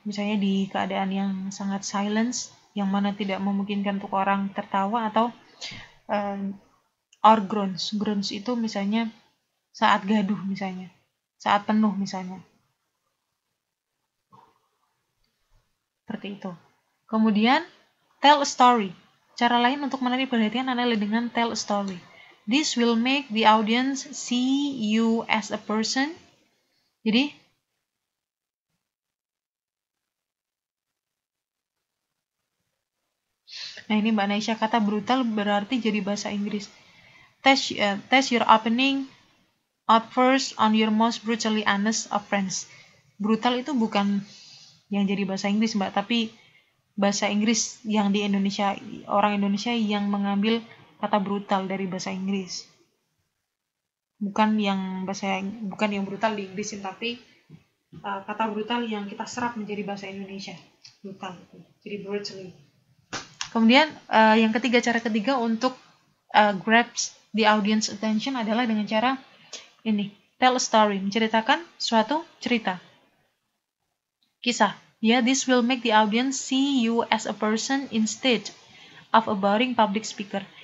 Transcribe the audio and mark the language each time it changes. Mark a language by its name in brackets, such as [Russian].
[Indonesian] Misalnya di keadaan yang sangat silence, yang mana tidak memungkinkan untuk orang tertawa atau [English] or groans. [Indonesian] Groans itu misalnya saat gaduh misalnya, saat penuh misalnya. Seperti itu. Kemudian, [English] tell a story. [Indonesian] Cara lain untuk menarik perhatian adalah dengan tell a story. [English] This will make the audience see you as a person. [Indonesian] Jadi, nah ini Mbak Naisha, kata brutal berarti jadi bahasa Inggris. [English] Test your opening up first on your most brutally honest of friends. [Indonesian] Brutal itu bukan yang jadi bahasa Inggris Mbak, tapi bahasa Inggris yang di Indonesia, orang Indonesia yang mengambil kata brutal dari bahasa Inggris. Bukan yang brutal di Inggris, tapi kata brutal yang kita serap menjadi bahasa Indonesia. Brutal, gitu. Jadi brutally. Kemudian yang ketiga, cara ketiga untuk [English] grab the audience attention [Indonesian] adalah dengan cara ini, [English] tell a story, [Indonesian] menceritakan suatu cerita, kisah. [English] Yeah, this will make the audience see you as a person instead of a boring public speaker.